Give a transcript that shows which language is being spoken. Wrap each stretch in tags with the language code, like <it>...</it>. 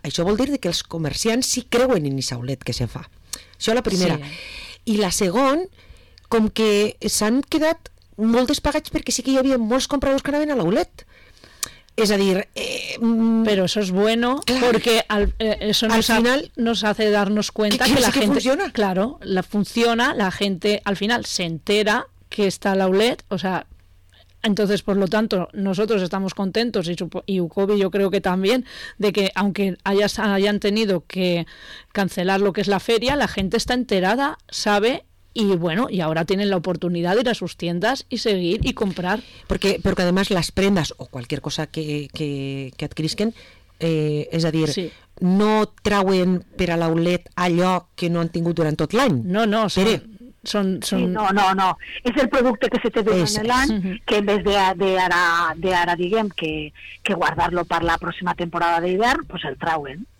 <ca>Això vol dir que els comerciants sí creuen en aquest aulet que se fa. Això la primera. Sí. I la segon, com que s'han quedat molt despagats perquè sí que hi havia molts compradors que anaven a l'aulet. És a dir... Però això és bueno, perquè això</ca> <es>nos, nos hace darnos cuenta que la que gente... Funciona. Claro, la funciona, la gente al final se entera que está la OLED, o sea, entonces, por lo tanto, nosotros estamos contentos, y UCOBI yo creo que también, de que aunque hayan tenido que cancelar lo que es la feria, la gente está enterada, sabe, y bueno, y ahora tienen la oportunidad de ir a sus tiendas y seguir y comprar. Porque además las prendas o cualquier cosa que adquirisquen, es decir... Sí.</es> <ca>No trauen per a l'aulet allò que no han tingut durant tot l'any. No, són... Sí, no. És el producte que se te dona en l'any, que</ca> <es>en vez de</es> <ca>ara, diguem, que guardar-lo per la pròxima temporada d'hivern, pues el trauen.</ca>